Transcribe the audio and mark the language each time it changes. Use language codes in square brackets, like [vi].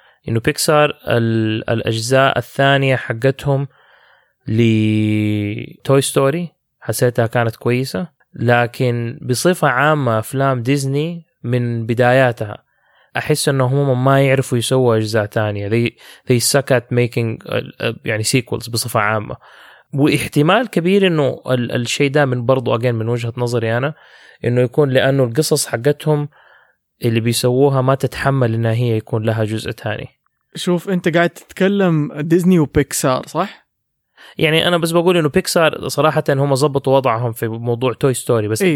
[ar] انه بيكسار الاجزاء الثانية حقتهم لتوي ستوري حسيتها كانت كويسة، لكن بصفة عامة أفلام ديزني من بداياتها أحس أنهم ما يعرفوا يسووا أجزاء تانية. [en] they suck at making يعني sequels [ar] بصفة عامة. واحتمال كبير أنه الشيء ده من برضو أجين من وجهة نظري أنا، أنه يكون لأنه القصص حقتهم اللي بيسووها ما تتحمل أنها هي يكون لها جزء تاني. شوف أنت قاعد تتكلم ديزني وبيكسار صح؟ يعني انا بس بقول انه بيكسار صراحه هم ضبطوا وضعهم في موضوع توي ستوري، بس إيه.